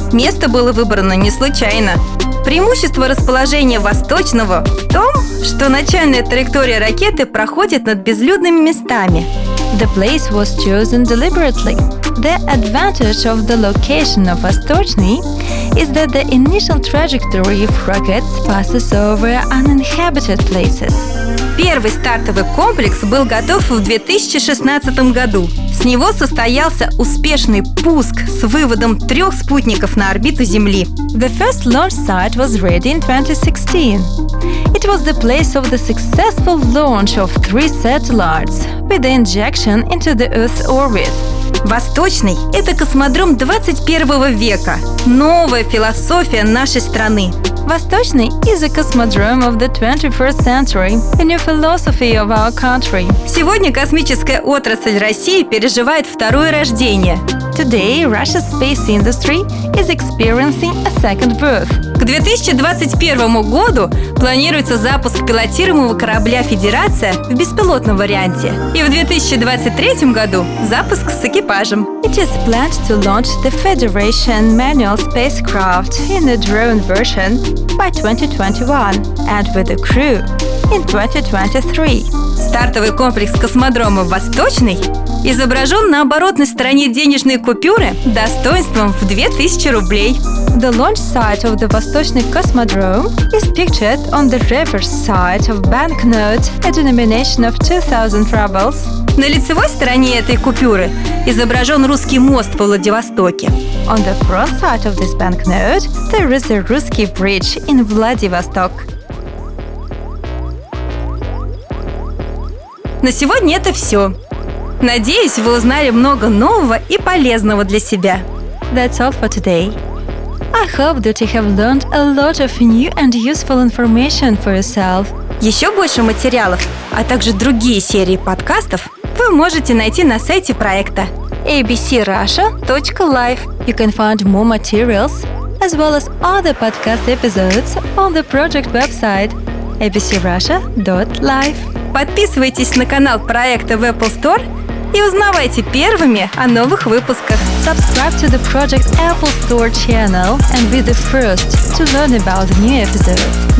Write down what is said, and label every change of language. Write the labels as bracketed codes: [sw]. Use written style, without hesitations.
[ru] Место было выбрано не случайно. Преимущество расположения Восточного в том, что начальная траектория ракеты проходит над безлюдными местами. [en] The place was chosen deliberately. The advantage of the location of Vostochny is that the initial trajectory of rockets passes over uninhabited places. [ru] Первый стартовый комплекс был готов в 2016 году. С него состоялся успешный пуск с выводом трех спутников на орбиту Земли. [en] The first launch site was ready in 2016. It was the place of the successful launch of three satellites with the injection into the Earth's orbit. [ru] Восточный – это космодром 21 века, новая философия нашей страны. [en] Восточный is a cosmodrome of the 21st century, a new philosophy of our country. [ru] Сегодня космическая отрасль России переживает второе рождение. [en] Today, Russia's space industry is experiencing a second birth. [ru] К 2021 году планируется запуск пилотируемого корабля «Федерация» в беспилотном варианте. И в 2023 году запуск с экипажем. [en] It is planned to launch the Federation manual spacecraft in a drone version by 2021 and with a crew in 2023. [ru] Стартовый комплекс космодрома «Восточный» изображен на оборотной стороне денежной купюры достоинством в 2000 рублей. [en] The launch site of the Восточный Cosmodrome is pictured on the reverse side of banknote, a denomination of 2000 rubles. [ru] На лицевой стороне этой купюры изображен русский мост во Владивостоке. [en] On the front side of this banknote, there is a Russian bridge in Vladivostok. [ru] На сегодня это все. Надеюсь, вы узнали много нового и полезного для себя. [en] That's all for today. I hope that you have learned a lot of new and useful information for yourself. [ru] Еще больше материалов, а также другие серии подкастов вы можете найти на сайте проекта abcrussia.live. [en] You can find more materials, as well as other podcast episodes on the project website abcrussia.live. [ru] Подписывайтесь на канал проекта в Apple Store и узнавайте первыми о новых выпусках. [en] Subscribe to the Project Apple Store channel and be the first to learn about new episodes.